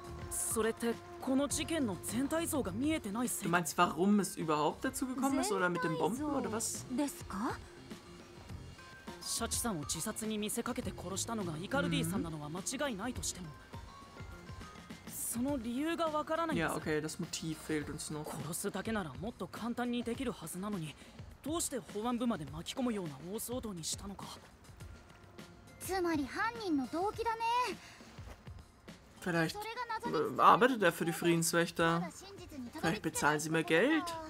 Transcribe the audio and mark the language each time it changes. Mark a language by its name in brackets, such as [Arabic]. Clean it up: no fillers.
[Japanese] それってこの事件の全体像が見えてないせい。 [German] Du meinst, warum es überhaupt dazu gekommen ist oder mit den Bomben oder was? [Japanese] ですか？シャチさんを自殺に見せかけて殺したのがイカルディさんなのは間違いないとしても、その理由がわからないんです。 [German] Ja, okay, das Motiv fehlt uns noch. [Japanese] 殺すだけならもっと簡単にできるはずなのに、どうして保安部まで巻き込むような大騒動にしたのか。つまり犯人の動機だね。 [German] Vielleicht arbeitet er für die Friedenswächter. Vielleicht bezahlen sie mehr Geld.